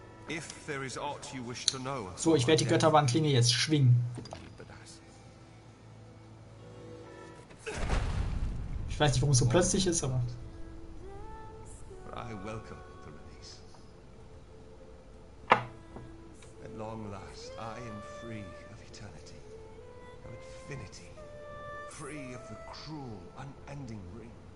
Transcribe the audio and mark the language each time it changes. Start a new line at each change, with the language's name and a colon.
English: If there is aught you wish to know,
German: so, ich werde die Götterwandklinge jetzt schwingen. Ich weiß nicht, warum es so plötzlich ist, aber...
English: I welcome the release. At long last, I am free of eternity. Of infinity. Free of the cruel, unending ring.